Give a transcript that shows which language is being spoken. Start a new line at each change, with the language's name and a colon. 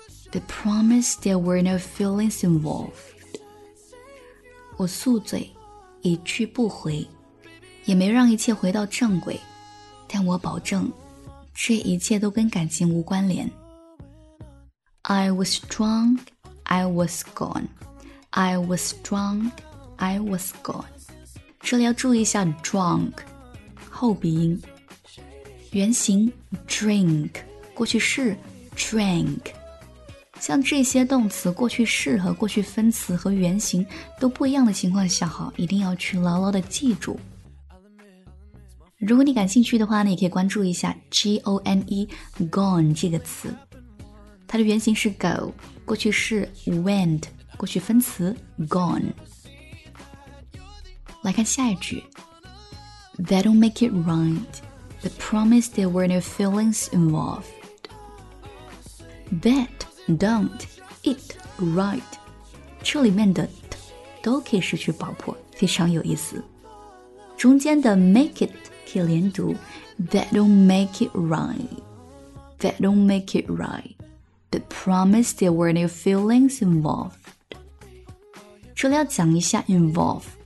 English: They promised there were no feelings involved.
Chinese: 我宿醉，一去不回，也没让一切回到正轨，但我保证，这一切都跟感情无关联。
English: I was drunkI was gone. I was drunk. I was gone.
Chinese: 这里要注意一下 drunk 后鼻音，原型 drink 过去式 drank。像这些动词过去式和过去分词和原型都不一样的情况下，好，一定要去牢牢的记住。如果你感兴趣的话呢，也可以关注一下 G-O-N-E gone 这个词，它的原型是 go，过去式 went， 过去分词 gone。来看下一句，
English: That don't make it right. They promised there were no feelings involved. That don't it right，
Chinese: 这里面的 t 都可以失去爆破，非常有意思。中间的 make it 可以连读，
English: That don't make it right. That don't make it rightThey promised there were no feelings involved.
Chinese: 这里要讲一下 involved.